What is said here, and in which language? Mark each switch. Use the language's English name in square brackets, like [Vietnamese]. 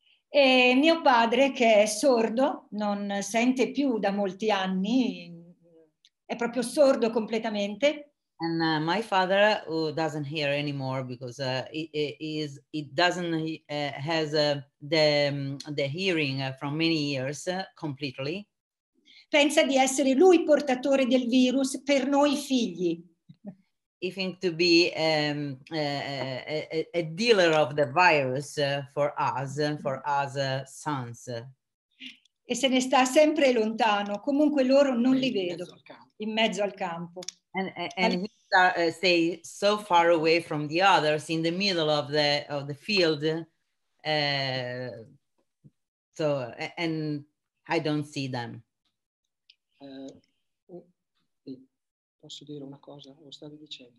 [Italian] E mio padre, che è sordo, non sente più da molti anni, è proprio sordo completamente. [English] And my father, who doesn't hear anymore because he doesn't have the hearing from many years completely. [Italian] Pensa di essere lui portatore del virus per noi figli. [English] He thinks to be a dealer of the virus for us sons. [Italian] E se ne sta sempre lontano. Comunque loro non li vedo in mezzo al campo. [English] And he stays so far away from the others in the middle of the field. And I don't see them. Uh, [Italian] posso dire una cosa? Lo stavi dicendo?